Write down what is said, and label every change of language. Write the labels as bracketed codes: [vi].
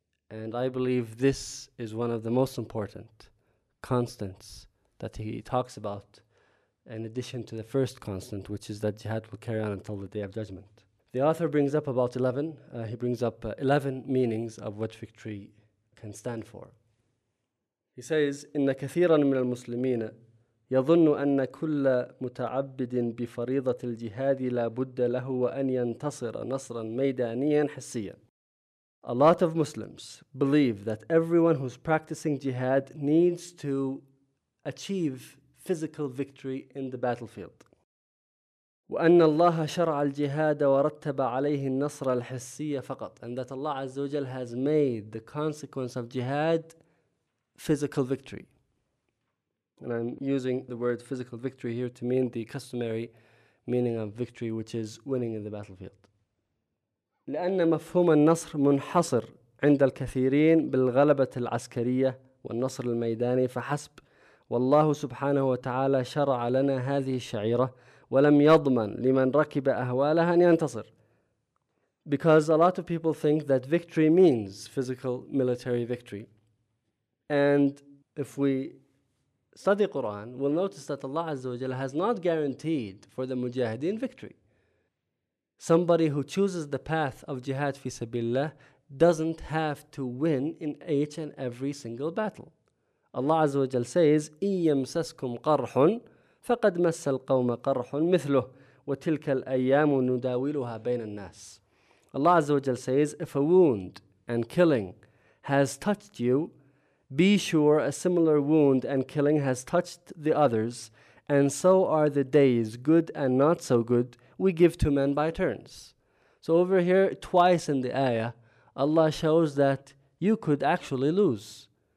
[en] And I believe this is one of the most important constants that he talks about, in addition to the first constant, which is that jihad will carry on until the Day of Judgment. The author brings up about 11. He brings up 11 meanings of what victory can stand for. He says, [ar] إِنَّ كَثِيرًا مِنَ الْمُسْلِمِينَ يظن أن كل متعبد بفريضة الجهاد لا بد له أن ينتصر نصرا ميدانيا حسيا. [en] A lot of Muslims believe that everyone who's practicing jihad needs to achieve physical victory in the battlefield. [ar] وأن الله شرع الجهاد ورتب عليه النصر الحسي فقط. [en] And that Allah Azza wa Jalla has made the consequence of jihad physical victory. And I'm using the word physical victory here to mean the customary meaning of victory, which is winning in the battlefield. [ar] لأن مفهوم النصر منحصر عند الكثيرين بالغلبة العسكرية والنصر الميداني فحسب والله سبحانه وتعالى شرع لنا هذه الشعيرة ولم يضمن لمن ركب أهوالها أن ينتصر. [en] Because a lot of people think that victory means physical military victory. And if we study Quran, we'll notice that Allah Azza wa Jalla has not guaranteed for the mujahideen victory. Somebody who chooses the path of jihad fi sabilillah doesn't have to win in each and every single battle. [ar] Allah Azza wa Jalla says, إِيَّمْسَسْكُمْ قَرْحٌ فَقَدْ مَسَّ الْقَوْمَ قَرْحٌ مِثْلُهُ وَتِلْكَ الْأَيَّامُ نُدَاوِلُهَا بَيْنَ النَّاسِ. [en] Allah Azza wa Jalla says, if a wound and killing has touched you, be sure a similar wound and killing has touched the others, and so are the days, good and not so good, we give to men by turns. So over here, twice in the ayah, Allah shows that you could actually lose.